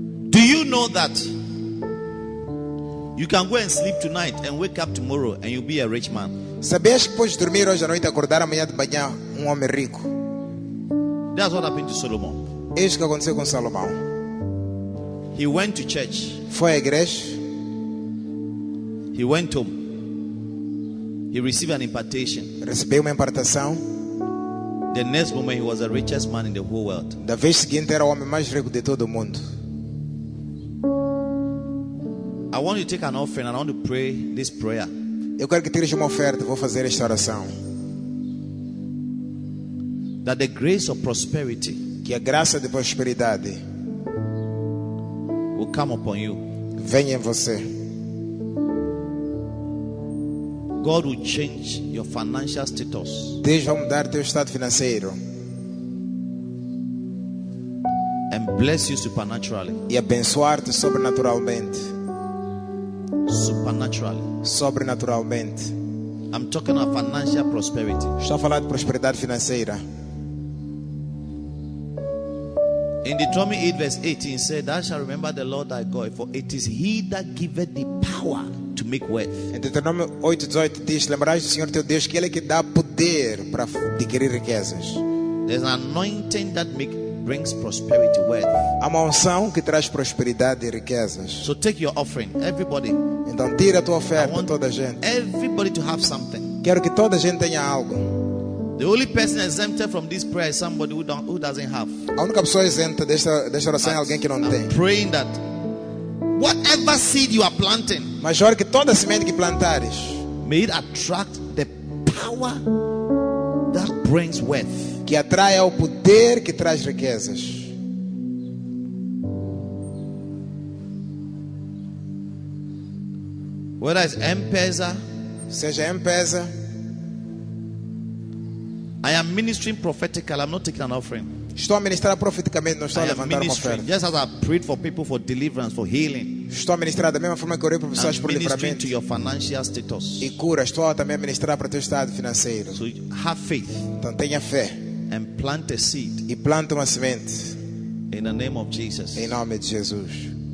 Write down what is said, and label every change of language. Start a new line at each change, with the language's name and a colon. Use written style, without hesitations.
English: Do you know that you can go and sleep tonight and wake up tomorrow and you'll be a rich man?
Portuguese: Sabias que podes dormir hoje à noite e acordar amanhã de manhã homem rico?
English: That's what happened to Solomon.
Portuguese: É isso que aconteceu com Salomão.
English: He went to church.
Portuguese: Foi à igreja.
English: He went home. He received an impartation.
Portuguese: Recebeu uma impartação.
English: The next moment he was the richest man in the whole world.
Portuguese: Da vez seguinte era o homem mais rico de todo o mundo.
English: I want you to take an offering and I want to pray this prayer.
Portuguese: Eu quero que tires uma oferta, vou fazer esta oração.
English: That the grace of prosperity,
Portuguese: que a graça de prosperidade,
English: will come upon you.
Portuguese: Venha em você.
English: God will change your financial status.
Portuguese: Deus vai mudar teu estado financeiro.
English: And bless you supernaturally.
Portuguese: E abençoar-te sobrenaturalmente.
English: Supernaturally.
Portuguese: Sobrenaturalmente.
English: I'm talking about financial prosperity.
Portuguese: Estou a falar de prosperidade financeira.
English: In Deuteronomy 8 verse 18 said, thou shalt remember the Lord thy God, for it is he that giveth the power to make wealth.
Portuguese: Em Deuteronomy 8:18 diz, lembrarás do Senhor teu Deus, que ele é que dá poder para adquirir riquezas.
English: There's an anointing that brings prosperity, wealth.
Portuguese: Há uma unção que traz prosperidade e riquezas.
English: So take your offering, everybody.
Portuguese: Então tira a tua oferta,
English: I want
Portuguese: toda a gente.
English: Everybody to have something.
Portuguese: Quero que toda a gente tenha algo.
English: The only person exempted from this prayer is somebody who doesn't have.
Portuguese: A única pessoa isenta desta oração é alguém que não tem.
English: I'm praying that whatever seed you are planting,
Portuguese: maior que toda semente que plantares,
English: may it attract the power that brings wealth.
Portuguese: Que atraia o poder que traz riquezas.
English: Whether it's M-Pesa,
Portuguese: seja M-Pesa.
English: I am ministering prophetically. I'm not taking an offering.
Portuguese: Estou a ministrar profeticamente, não estou a levantar uma oferta.
English: Just as I prayed for people for deliverance, for healing.
Portuguese: Estou a ministrar da mesma forma que orei por pessoas por livramento.
English: I'm ministering to your financial status.
Portuguese: E cura, estou também a ministrar para o teu estado financeiro.
English: So have faith.
Portuguese: Então tenha fé.
English: And plant a seed.
Portuguese: E planta uma semente.
English: In the name of Jesus.
Portuguese: Em nome de Jesus.